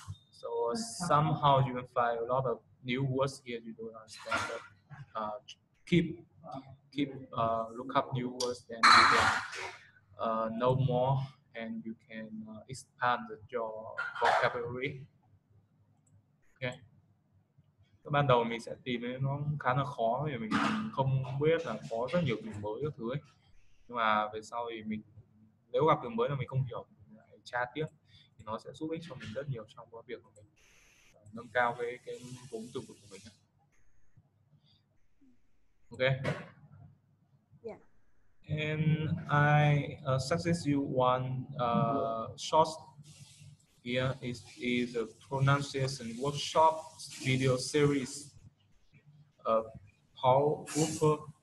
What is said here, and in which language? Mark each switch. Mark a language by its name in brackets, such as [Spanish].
[English] So somehow you will find a lot of new words here you don't understand. But keep look up new words and you can know more and you can expand your vocabulary. Okay. [Vietnamese] Cái ban đầu mình sẽ tìm ấy, nó khá là khó vì mình không biết là có rất nhiều từ mới các thứ ấy. Nhưng mà về sau thì mình nếu gặp từ mới là mình không hiểu mình lại tra tiếp thì nó sẽ giúp ích cho mình rất nhiều trong cái việc của mình nâng cao cái vốn từ vựng của mình. [English] Ok. Yeah. And I suggest you one short here is a pronunciation workshop video series of Paul Hooper.